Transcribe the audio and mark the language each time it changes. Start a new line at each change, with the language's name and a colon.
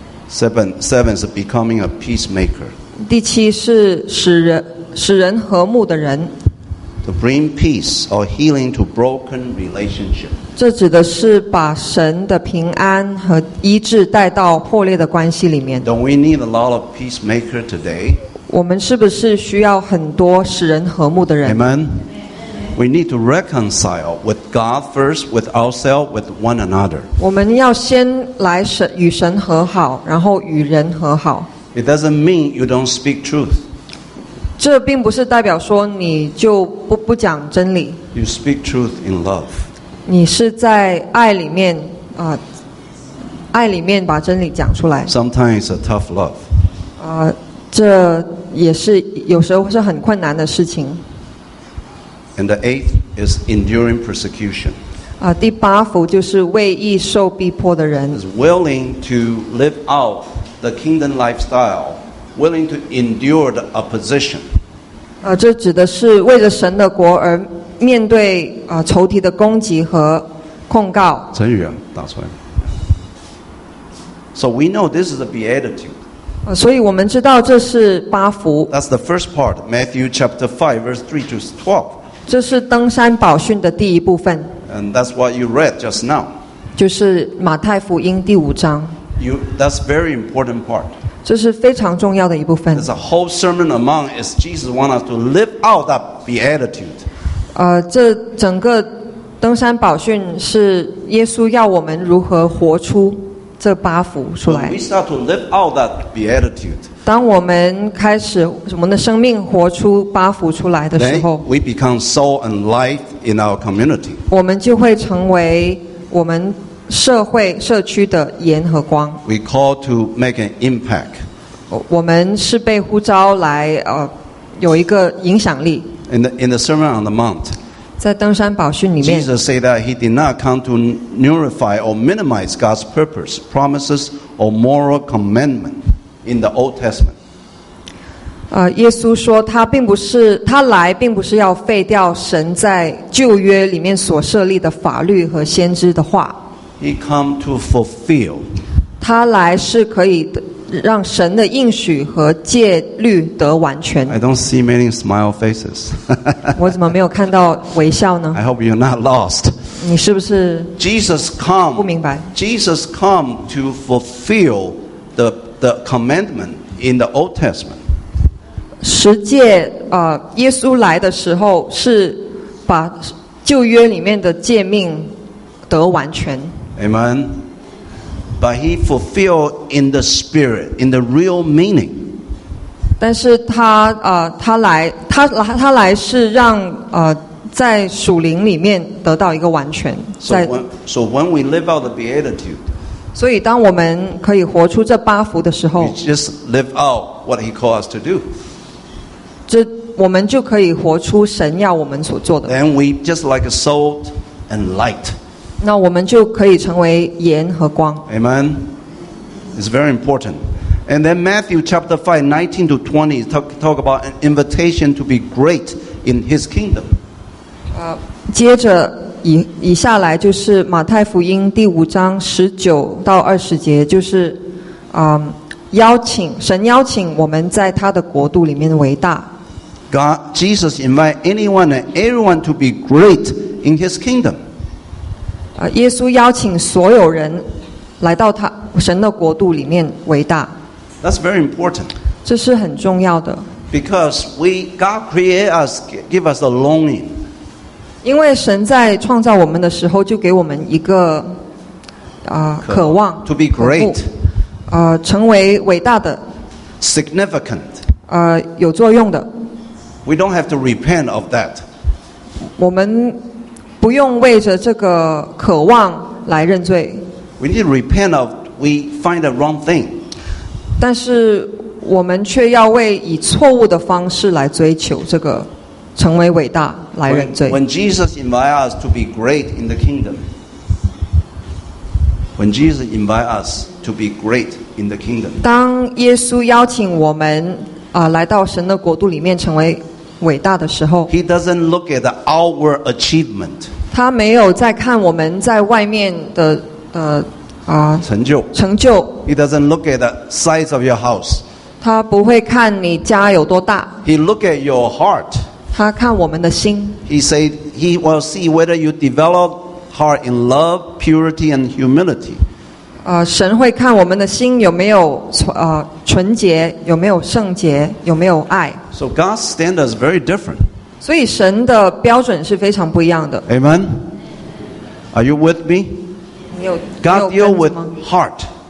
English: Seven is becoming a peacemaker.
Chinese: 第七是使人和睦的人。
English: To bring peace or healing to broken relationship.
Chinese: 这指的是把神的平安和医治带到破裂的关系里面。
English: Don't we need a lot of peacemaker today?
Chinese: 我们是不是需要很多使人和睦的人？
English: Amen. We need to reconcile with God first, with ourselves, with one another.
Chinese: 我们要先来与神和好，然后与人和好。
English: It doesn't mean you don't speak truth.
Chinese: 这并不是代表说你就不讲真理。
English: You speak truth in love.
Chinese: 你是在爱里面爱里面把真理讲出来。
English: Sometimes it's a tough love.
Chinese: 这也是有时候是很困难的事情。
English: And the eighth is enduring persecution.
Chinese: 第八福就是为义受逼迫的人。
English: Is willing to live out the kingdom lifestyle, willing to endure the opposition.
Chinese: 这指的是为了神的国而面对仇敌的攻击和控告。成语啊，打出来。
English: So we know this is a beatitude.
Chinese: 所以我们知道这是八福。
English: That's the first part, Matthew chapter 5, verse 3 to 12.
Chinese: 这是登山宝训的第一部分。
English: And that's what you read just now.
Chinese: 就是马太福音第五章。
English: That's very important part.
Chinese: 这是非常重要的一部分。
English: There's a whole sermon among is Jesus want us to live out that beatitude.
Chinese: 这整个登山宝训是耶稣要我们如何活出这八福出来。
English: When we start to live out that beatitude.
Chinese: 当我们开始我们的生命活出八福出来的时候
English: we become salt and light in our community.
Chinese: 我们就会成为我们社会社区的盐和光
English: We call to make an impact.
Chinese: 我们是被呼召来有一个影响力
English: in the Sermon on the Mount,
Chinese: 在登山宝训里面
English: Jesus said that he did not come to nullify or minimize God's purpose, promises or moral commandmentIn the Old Testament,
Chinese: 耶稣说他并不是他来，并不是要废掉神在旧约里面所设立的法律和先知的话。
English: He come to fulfill.
Chinese: 他来是可以让神的应许和戒律得完全。
English: I don't see many smile faces.
Chinese: 我怎么没有看到微笑呢
English: ？I hope you're not lost.
Chinese: 你是不是
English: ？Jesus come.
Chinese: 不明白。
English: Jesus come to fulfill the commandment in the Old Testament.
Chinese: 十诫耶稣来的时候是把旧约里面的诫命得完全。
English: Amen. But he fulfilled in the spirit, in the real meaning.
Chinese: 但是他来是让在属灵里面得到一个完全。
English: So when we live out the beatitude,
Chinese: 所以当我们可以活出这八福的时候
English: we just live out what he called us to do.
Chinese: 这我们就可以活出神要我们所做的
English: Then we just like a salt and light.
Chinese: 那我们就可以成为盐和光
English: Amen. It's very important. And then Matthew chapter 5, 19 to 20 talk about an invitation to be great in his kingdom.
Chinese: 接着以下来就是马太福音第五章十九到二十节，就是邀请神邀请我们在他的国度里面伟大。
English: God Jesus invite anyone and everyone to be great in His kingdom.
Chinese: 耶稣邀请所有人来到他神的国度里面伟大。
English: That's very important.
Chinese: 这是很重要的。
English: Because we God create us, give us a longing.
Chinese: 因为神在创造我们的时候就给我们一个渴望
English: to be great
Chinese: 成为伟大的
English: significant
Chinese: 有作用的
English: we don't have to repent of that
Chinese: 我们不用为着这个渴望来认罪
English: we need to repent of we find the wrong thing
Chinese: 但是我们却要为以错误的方式来追求这个成为伟大来认罪。
English: When Jesus invites us to be great in the kingdom, when Jesus invites us to be great in the kingdom,
Chinese: 当耶稣邀请我们来到神的国度里面成为伟大的时候
English: ，He doesn't look at the outward achievement.
Chinese: 他没有在看我们在外面的成就。成就。
English: He doesn't look at the size of your house.
Chinese: 他不会看你家有多大。
English: He look at your heart.
Chinese: 他看我们的心。
English: He said he will see whether you develop heart in love, purity, and humility.
Chinese: 神会看我们的心有没有纯洁，有没有圣洁，有没有爱。
English: So God's standard is very different.
Chinese: 所以神的标准是非常不一样的。
English: Amen. Are you with me?
Chinese: 你有
English: God deal with heart.